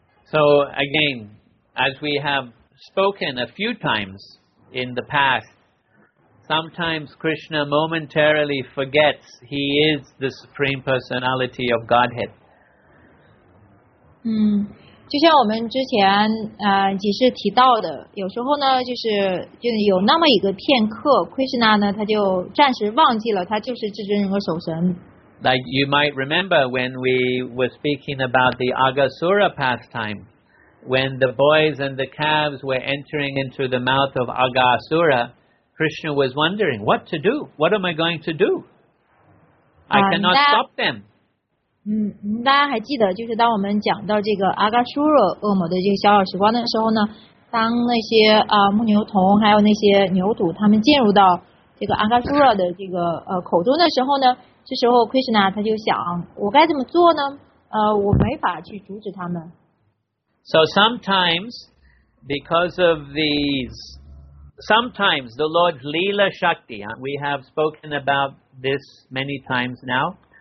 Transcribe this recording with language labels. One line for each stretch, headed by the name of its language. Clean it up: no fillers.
English: So again, as we have spoken a few times in the past, sometimes Krishna momentarily forgets he is the Supreme Personality of Godhead.
Chinese: 就像我们之前几次提到的，有时候呢，就有那么一个片刻 ，Krishna 呢，他就暂时忘记了他就是至尊人格守神。
English: Like you might remember when we were speaking about the Agasura pastime, when the boys and the calves were entering into the mouth of Agasura, Krishna was wondering what to do. What am I going to do? I cannot stop them.
Chinese: 大家还记得，就是当我们讲到这个阿嘎苏若恶魔的这个小小时光的时候呢，当那些牧牛童还有那些牛犊他们进入到这个阿嘎苏若的这个口中的时候呢，这时候 Krishna 他就想，我该怎么做呢？我没法去阻止他们。
English: So sometimes, because of these, sometimes the Lord's Leela Shakti, we have spoken about this many times now.